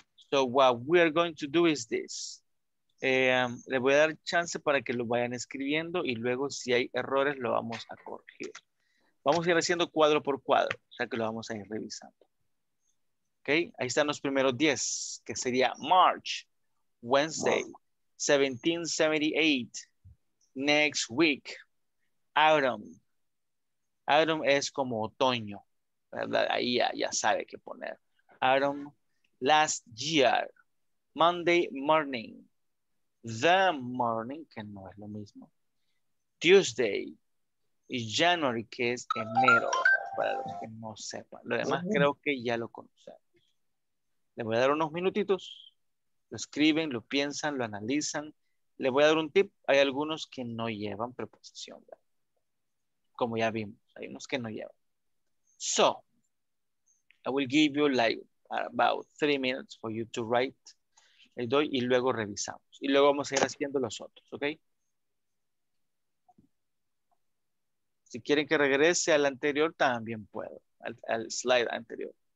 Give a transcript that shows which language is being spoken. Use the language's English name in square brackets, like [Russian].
[English] So what we are going to do is this. [Spanish] Le voy a dar chance para que lo vayan escribiendo y luego si hay errores lo vamos a corregir. Vamos a ir haciendo cuadro por cuadro, o sea que lo vamos a ir revisando. Okay, ahí están los primeros 10, que sería March, Wednesday, 1778, [English] next week, [Spanish] autumn. Autumn es como otoño, ¿verdad? Ahí ya, ya sabe qué poner. [English] Autumn, last year, Monday morning. The morning, [Spanish] que no es lo mismo. Tuesday. Y January, que es enero. Para los que no sepan. Lo demás creo que ya lo conocen. Les voy a dar unos minutitos. Lo escriben, lo piensan, lo analizan. Les voy a dar un tip. Hay algunos que no llevan preposición, ¿verdad? Como ya vimos. Hay unos que no llevan. [English] So, I will give you like about 3 minutes for you to write. [Spanish] Le doy y luego revisamos. Y luego vamos a ir haciendo los otros, ¿ok? Si quieren que regrese al anterior, también puedo, al slide anterior.